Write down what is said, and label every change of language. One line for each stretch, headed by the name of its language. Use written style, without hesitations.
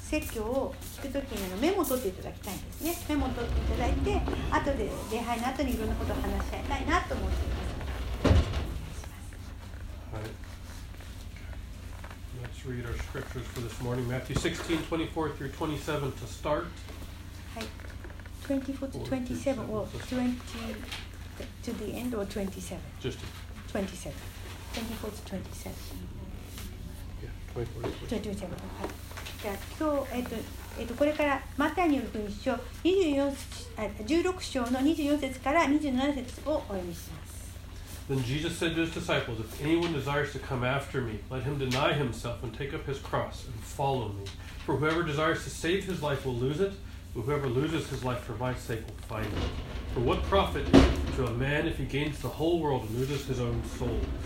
Japanese: 説教を聞くときにメモを取っていただきたいんですね。メモを取っていただいて、後で礼拝の後にいろんなことを話し合いたいなと思っています。はい。
English: Let's read our scriptures for this morning. Matthew 16, 24 through 27 to start. はい。24 to 27 or 20 to the end or 27? Just 27. 24 to 27. Yeah, 24 to 27. はい。
Japanese: じゃあ今日、これからマタイによる福音書16章の24節から27節をお読みします。
English: Then Jesus said to his disciples, If anyone desires to come after me, let him deny himself and take up his cross and follow me. For whoever desires to save his life will lose it, but whoever loses his life for my sake will find it. For what profit is it to a man if he gains the whole world and loses his own soul?